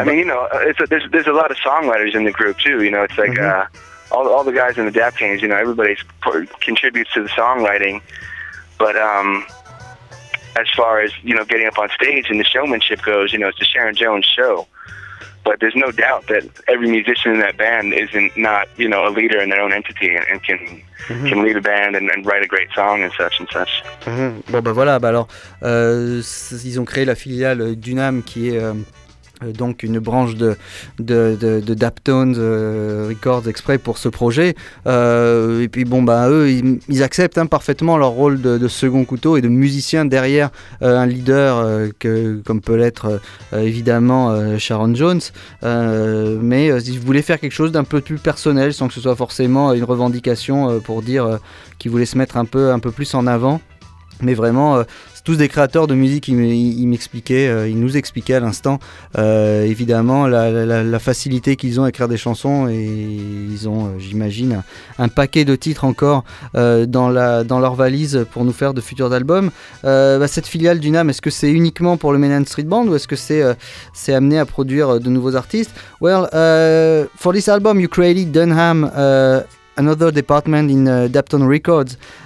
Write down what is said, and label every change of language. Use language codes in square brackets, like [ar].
[en] I mean, you know, there's a lot of songwriters in the group too. You know, it's like, mm-hmm, all the guys in the Dap Kings. You know, everybody contributes to the songwriting, but as far as, you know, getting up on stage and the showmanship goes, you know, it's a Sharon Jones show. But there's no doubt that every musician in that band isn't you know, a leader in their own entity and can, mm-hmm, can lead a band and write a great song and such and such. Mm-hmm. [fr] Bon ben voilà, alors ils ont créé la filiale Dunam qui est donc une branche de Daptones Records exprès pour ce projet. Et puis bon, bah, eux, ils acceptent, hein, parfaitement leur rôle de second couteau et de musicien derrière un leader comme peut l'être évidemment Sharon Jones. Mais ils voulaient faire quelque chose d'un peu plus personnel sans que ce soit forcément une revendication pour dire qu'ils voulaient se mettre un peu plus en avant. Mais vraiment, c'est tous des créateurs de musique, ils nous expliquaient à l'instant, évidemment, la facilité qu'ils ont à écrire des chansons, et ils ont, j'imagine, un paquet de titres encore dans leur valise pour nous faire de futurs albums. Cette filiale d'UNAM, est-ce que c'est uniquement pour le Mainland Street Band, ou est-ce que c'est amené à produire de nouveaux artistes? [en] Well, for this album, you created Dunham, another department in Daptone Records.